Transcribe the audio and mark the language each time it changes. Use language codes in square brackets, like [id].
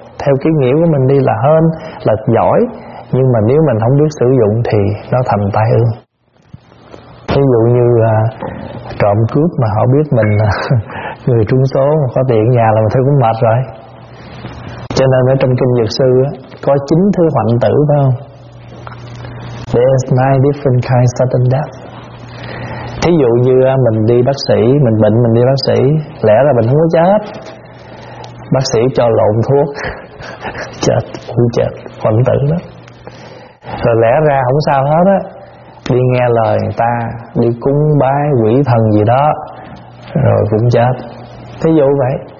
[vi] Theo cái nghĩa của mình đi là hên, là giỏi. Nhưng mà nếu mình không biết sử dụng thì nó thành tai ương. Ví dụ như trộm cướp mà họ biết mình là người trúng số, có tiền nhà là mình thấy cũng mệt rồi. Cho nên ở trong kinh Dược Sư có 9 thứ hoạn tử, phải không? [en] There's 9 different kinds of sudden death. [vi] Thí dụ như mình đi bác sĩ, mình bệnh mình đi bác sĩ, lẽ là mình không có chết, bác sĩ cho lộn thuốc chết, cũng chết, hoạn tử đó. Rồi lẽ ra không sao hết á, đi nghe lời người ta, đi cúng bái quỷ thần gì đó, rồi cũng chết. Thí dụ vậy.